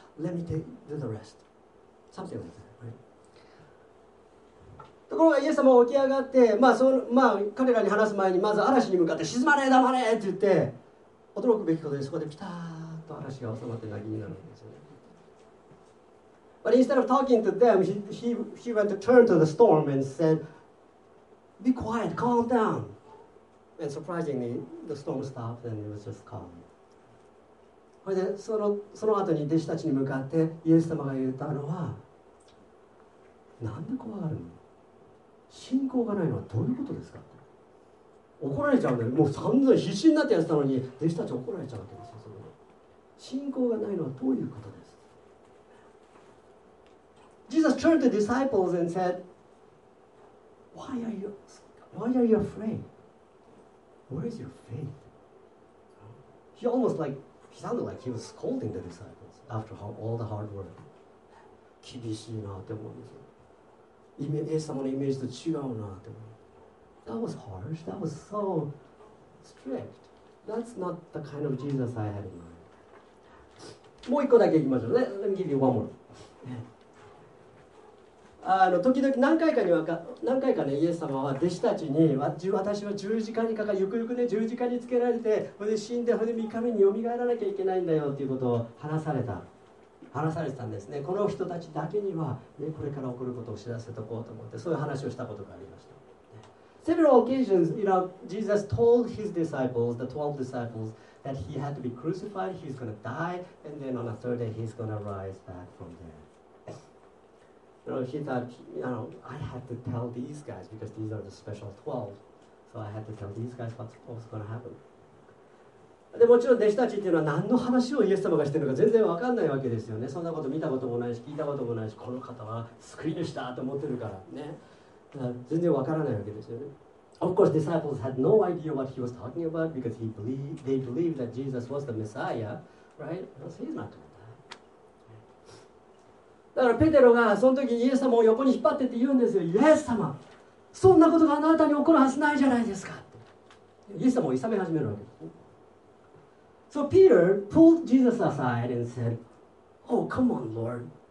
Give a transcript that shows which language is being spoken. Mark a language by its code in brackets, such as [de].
[en] Let me take, do the rest. Something like that. [ja] ところがイエス様は起き上がって、まあそのまあ、彼らに話す前にまず嵐に向かって静まれ黙れって言って驚くべきことでそこでピタッと嵐が収まって泣きになるんですよね。 [en] But instead of talking to them, he went to turn to the storm and said, be quiet, calm down. And surprisingly, the storm stopped and it was just calm. [ja] それでその後に弟子たちに向かってイエス様が言ったのは、なんで怖がるの？信仰がないのはどういうことですか？怒られちゃうんだよ。もう散々必死になってやってたのに弟子たち怒られちゃうわけですよ。その信仰がないのはどういうことです？ [en] Jesus turned to disciples and said, why are you afraid? Where is your faith? He almost like, he sounded like he was scolding the disciples after all the hard work. [ja] 厳しいなって思うんですよ。イメージ、イエス様のイメージと違うなって思う。 [en] That was harsh. That was so strict. That's not the kind of Jesus I had in mind. [ja] もう一個だけいきましょう。 [en] Let me give you one more. [ja] あの時々何回かね、イエス様は弟子たちに、私は十字架にかかゆくゆくね、十字架につけられて、それで死んで、それで3日目によみがえらなきゃいけないんだよっていうことを話されてたんですね。この人たちだけには、ね、これから起こることを知らせておこうと思ってそういう話をしたことがありました。 [en] Several occasions, you know, Jesus told his disciples, the 12 disciples, that he had to be crucified, he's going to die, and then on the third day, he's going to rise back from there. You know, he thought, you know, I had to tell these guys, because these are the special 12, so I had to tell these guys what's going to happen. [ja] でもちろん弟子たちっていうのは何の話をイエス様がしてるのか全然分かんないわけですよね。そんなこと見たこともないし聞いたこともないし、この方は救い主だと思ってるからね、だから全然分からないわけですよね。 [en] Of course, disciples had no idea what he was talking about because they believed that Jesus was the Messiah, right? Because he's not doing that. [ja] だからペテロがその時イエス様を横に引っ張ってって言うんですよ。イエス様、そんなことがあなたに起こるはずないじゃないですかって、イエス様をいさめ始めるわけです。 [en] So Peter pulled Jesus aside and said, Oh, come on, Lord.